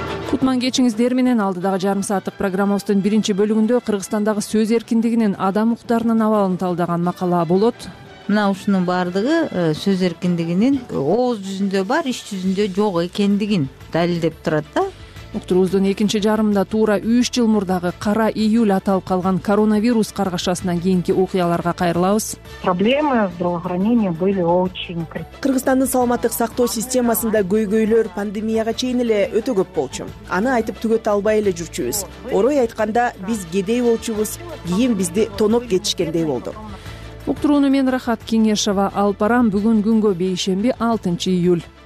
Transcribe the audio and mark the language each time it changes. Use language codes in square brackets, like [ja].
[ky] Кутман кечиңиздер менен, алдыдагы жарым сааттык программабыздын биринчи бөлүгүндө Кыргызстандагы сөз эркиндигинин адам укуктарынын абалын талдаган макала болот. Мына ушунун баардыгы сөз эркиндигинин ооз жүзүндө бар, иш жүзүндө жок экендигин далилдеп турат да. Уктуруубуздун экинчи жарымында туура 3 жыл мурдагы кара июль аталып калган коронавирус каргашасынан кийинки окуяларга кайрылабыз. [ru] Проблемы здравоохранения были очень критичны. [ky] Кыргызстандын саламаттык сактоо системасында көйгөйлөр пандемияга чейин эле өтө көп болчу. Аны айтып түгөтө албай эле жүрчүбүз. Орой айтканда биз кедей болчубуз, кийим бизди тонок кетишкендей болду. Уктурууну мен Рахат Кеңешова алып барам. Бүгүн күнгө бейшемби 6 июль.